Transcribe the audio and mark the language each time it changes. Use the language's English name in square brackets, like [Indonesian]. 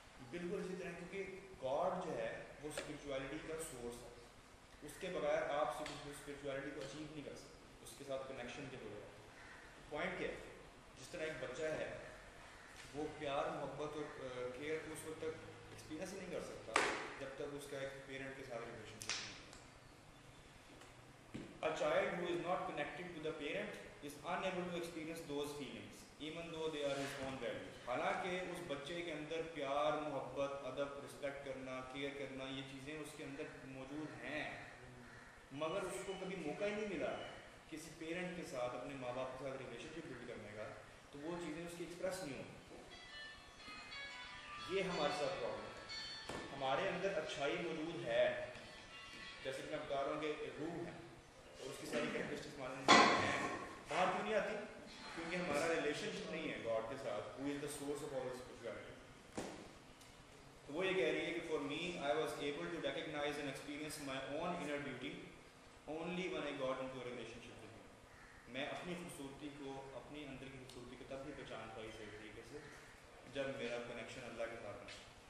[Urdu] بالکل اسی طرح, کیونکہ گاڈ جو ہے وہ اسپرچویلٹی کا سورس ہے, اس کے بغیر آپ اسپرچویلٹی کو اچیو نہیں کر سکتے اس کے ساتھ کنیکشن کے بغیر. پوائنٹ کیا ہے, جس طرح ایک بچہ ہے وہ پیار محبت اور کیئر کو اس وقت تک ایکسپیرئنس نہیں کر سکتا جب تک اس کا ایک پیرنٹ کے ساتھ ریلیشن شپ نہیں. [English] A child who is not connected to the parent is unable to experience those feelings even though they are his own value. [Urdu] حالانکہ اس بچے کے اندر پیار، محبت، ادب، رسپیکٹ کرنا، کیئر کرنا، یہ چیزیں اس کے اندر موجود ہیں، مگر اس کو کبھی موقع ہی نہیں ملا کسی پیرنٹ کے ساتھ، اپنے ماں باپ کے ساتھ ریلیشن شپ بلڈ کرنے کا، تو وہ چیزیں اس کی ایکسپریس نہیں ہوں. یہ ہمارے ساتھ پرابلم ہے. ہمارے اندر اچھائی موجود ہے، جیسے کہ میں بتا رہا ہوں کہ روح ہے اور اس کی ساری کیریکٹرسٹکس ہمارے اندر ہیں. باہر کیوں نہیں آتی؟ کیونکہ ہمارا ریلیشن شپ نہیں ہے گاڈ کے ساتھ. [English] Who is the source of all this spirituality. [Urdu] تو وہ یہ کہہ رہی ہے کہ [English] For me I was able to recognise and experience my own inner beauty only when I got into relationship. [Urdu] میں اپنی خوبصورتی کو، اپنی اندر کی خوبصورتی کو تب ہی پہچان پائی صحیح طریقے سے جب میرا کنیکشن اللہ کے ساتھ بنا.